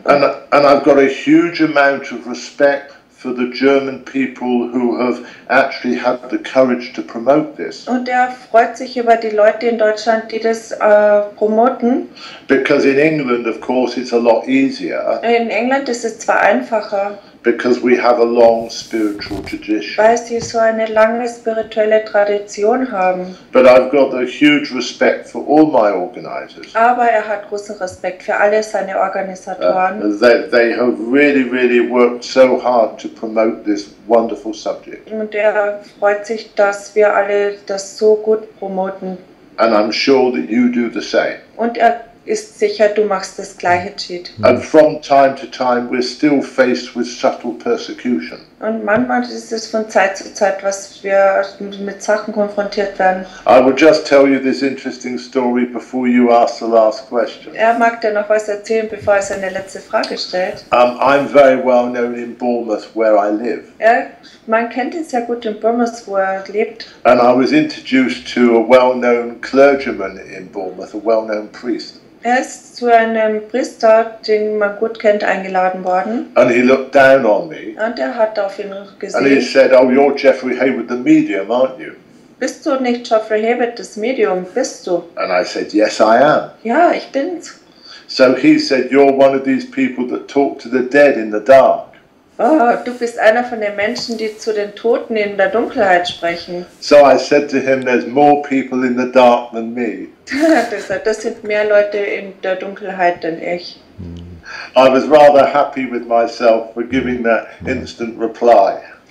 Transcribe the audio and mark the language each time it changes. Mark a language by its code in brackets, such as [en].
[en] And I've got a huge amount of respect for the German people who have actually had the courage to promote this. [de] Und er freut sich über die Leute in Deutschland, die das promoten. [en] Because in England, of course, it's a lot easier. [de] In England ist es zwar einfacher. [en] Because we have a long spiritual tradition. [de] Weil sie so eine lange spirituelle Tradition haben. [en] But I've got a huge respect for all my organizers. [de] Aber er hat großen Respekt für alle seine Organisatoren. [en] They have really, really worked so hard to promote this wonderful subject. [de] Und er freut sich, dass wir alle das so gut promoten. [en] And I'm sure that you do the same. [de] Und er ist sicher, du machst das gleiche Cheat. [en] And from time to time we're still faced with subtle persecution. [de] Und manchmal ist es von Zeit zu Zeit, was wir mit Sachen konfrontiert werden. [en] I will just tell you this interesting story before you ask the last question. [de] Er mag dir noch was erzählen, bevor er seine letzte Frage stellt. [en] I'm very well known in Bournemouth, where I live. [de] Man kennt ihn sehr gut in Bournemouth, wo er lebt. [en] And I was introduced to a well-known clergyman in Bournemouth, a well-known priest. [de] Er ist zu einem Priester, den man gut kennt, eingeladen worden. [en] And he looked down on me. [de] Und er hat auf ihn gesehen. [en] And he said, oh, you're Geoffrey Haywood, the medium, aren't you? [de] Bist du nicht Geoffrey Haywood, das Medium, bist du? [en] And I said, yes, I am. [de] Ja, ich bin's. [en] So he said, you're one of these people that talk to the dead in the dark. [de] Oh, du bist einer von den Menschen, die zu den Toten in der Dunkelheit sprechen. [en] So I said to him, there's more people in the dark than me. [de] Das sind mehr Leute in der Dunkelheit denn ich. [en] I was rather happy with myself for giving that instant reply.